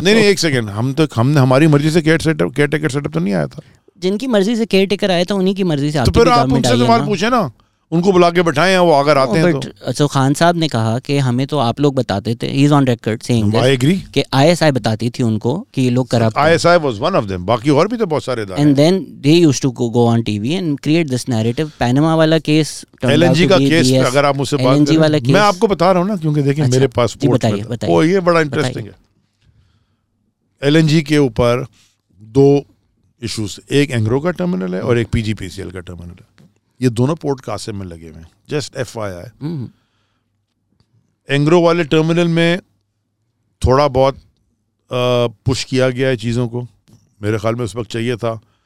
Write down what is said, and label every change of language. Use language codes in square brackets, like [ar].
[ur] نہیں, ایک سیکنڈ, ہم تو ہم نے ہماری مرضی سے کیئر ٹیکر سیٹ اپ تو نہیں آیا تھا. جن کی مرضی سے کیئر ٹیکر آیا تھا انہیں کی مرضی سے. تو پھر آپ ان سے سوال پوچھیں نا, ان کو بلا کے بٹھائے ہیں, وہ اگر آتے ہیں تو. سو خان صاحب نے کہا کہ ہمیں تو آپ لوگ بتاتے تھے, [en] he is on record saying that, I agree, [ur] کہ آئی ایس آئی بتاتی تھی ان کو کہ یہ لوگ corrupt. [en] I S I was one of them, [ur] باقی اور بھی تو بہت سارے ادارے ہیں. [en] And then they used to go on T V and create this narrative. [ur] Panama والا کیس, ایل این جی کا کیس, اگر آپ مجھ سے بات کریں, میں آپ کو بتا رہا ہوں نا, کیونکہ دیکھیں میرے پاس پاسپورٹ ہے. وہ یہ بڑا انٹرسٹنگ ہے, ایل این جی کے اوپر دو ایشوز, ایک اینگرو کا ٹرمینل ہے اور ایک پی جی پی سی ایل کا ٹرمینل ہے. یہ دونوں پورٹ قاسم میں لگے ہوئے, [en] Just F I I. [ur] اینگرو والے ٹرمینل میں تھوڑا بہت پش کیا گیا ہے چیزوں کو, میرے خیال میں اس وقت چاہیے تھا.